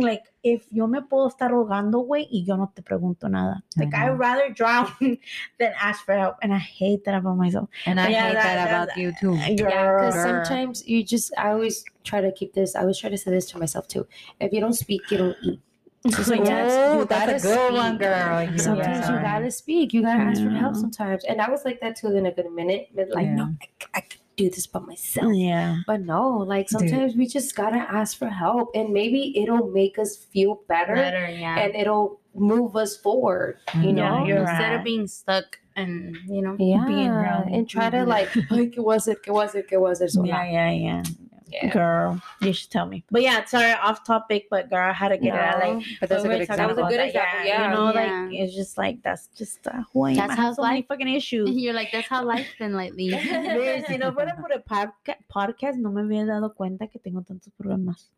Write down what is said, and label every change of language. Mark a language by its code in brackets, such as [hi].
[es] Like, if yo me puedo estar ahogando, güey, y yo no te pregunto nada. [en] Like, I'd rather drown than ask for help. And I hate that about myself. And I hate that about you, too. Yeah, because sometimes you just, I always try to say this to myself too. If you don't speak, you don't eat. That's a good one, girl. You gotta speak. You gotta ask for help sometimes. And I was like that too in a good minute. But like, no, I do this by myself. Yeah. But no, like sometimes we just gotta ask for help, and maybe it'll make us feel better. Better, yeah. And it'll move us forward, you know? Yeah, you're right. Instead of being stuck and, you know, yeah, being wrong. And try to like, it was it. So yeah. Yeah. Girl, you should tell me. But yeah, sorry, off topic, but girl, I had to get it out. Like, but that's a good example. That was a good example. Yeah. You know, like, it's just like, that's just who I am. That's how life fucking issue. You're like, that's how life's been lately. [es] Si no fuera por el podcast, no me había dado cuenta que tengo tantos problemas.